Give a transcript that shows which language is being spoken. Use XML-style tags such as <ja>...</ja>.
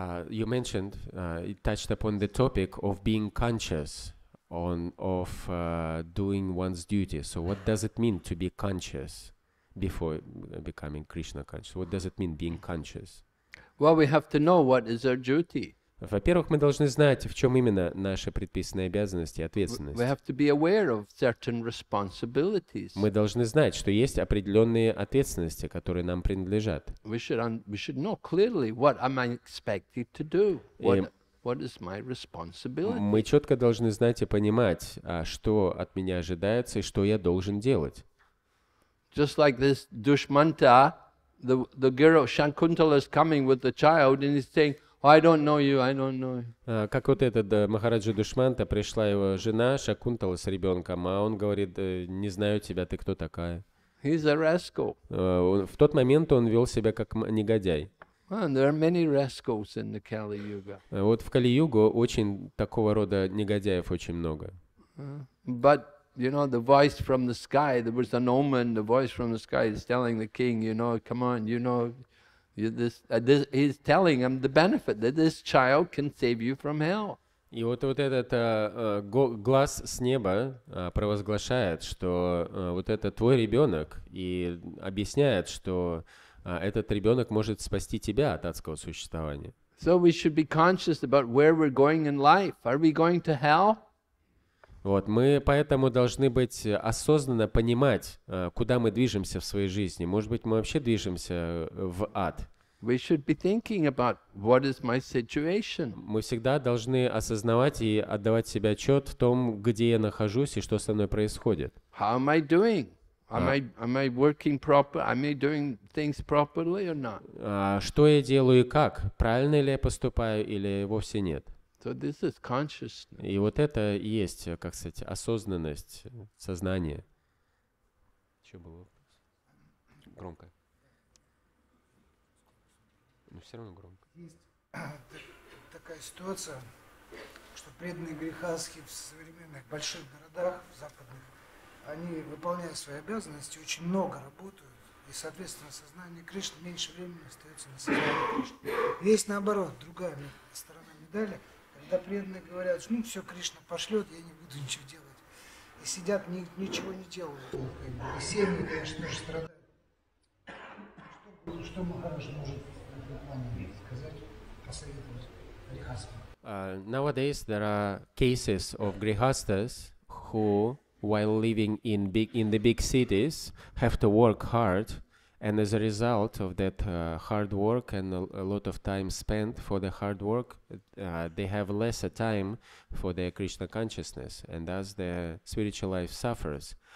<en>You mentioned, you touched upon the topic of being conscious. Doing one's duty. So what does it mean to be conscious before becoming Krishna conscious? What does it mean being conscious? Well, we have to know what is our duty.</en> <ru>Во-первых, мы должны знать, в чем именно наши предписанные обязанности и ответственность.</ru> <en>We have to be aware of certain responsibilities.</en> <ru>Мы должны знать, что есть определенные ответственности, которые нам принадлежат.</ru> <en>We should know clearly what am I expected to do. What is my responsibility?</en> <ru>Мы четко должны знать и понимать, что от меня ожидается и что я должен делать.</ru> <en>Just like this Dushmanta, the girl Shakuntala is coming with the child and he's saying, oh, I don't know you.</en> <ru>Как вот этот Махараджа Душманта, пришла его жена Шакунтала с ребенком, а он говорит: не знаю тебя, ты кто такая?</ru> <en>He's a rascal.</en> <ru>В тот момент он вел себя как негодяй.</ru> <en>And there are many rascals in the Kali Yuga.</en> <ru>Вот в Кали-Югу очень такого рода негодяев очень много.</ru> <en>But you know, the voice from the sky, there was an omen. The voice from the sky is telling the king, you know, come on, you know, this. He's telling him the benefit that this child can save you from hell.</en> <ru>И вот этот глаз с неба провозглашает, что вот это твой ребенок, и объясняет, что этот ребенок может спасти тебя от адского существования.</ru> <en>So we should be conscious about where we're going in life. Are we going to hell?</en> <ru>Вот, мы поэтому должны быть осознанно понимать, куда мы движемся в своей жизни. Может быть, мы вообще движемся в ад.</ru> <en>We should be thinking about what is my situation.</en> <ru>Мы всегда должны осознавать и отдавать себе отчет в том, где я нахожусь и что со мной происходит.</ru> <en>How am I doing? Am I working proper? Am I doing things properly or not?</en> <ru>Что я делаю и как? Правильно ли я поступаю или вовсе нет? So this is consciousness. И вот это и есть, как сказать, осознанность, сознание. Что было? Громко. Но все равно громко. Есть такая ситуация, что преданные грехасхи в современных больших городах, в западных, они, выполняя свои обязанности, очень много работают, и, соответственно, сознание Кришны меньше времени остается на сознании Кришны. Есть, наоборот, другая сторона медали, когда когда преданные говорят, ну все, Кришна пошлет, я не буду ничего делать. И сидят, ничего не делают. И семьи, конечно, тоже страдают. Что Махарадж может в этом плане сказать, посоветовать грехастам?</ru> <en>Nowadays there are cases of grihasthas who, while living in the big cities, have to work hard, and as a result of that hard work and a lot of time spent for the hard work, they have lesser time for their Krishna consciousness, and thus their spiritual life suffers.</en>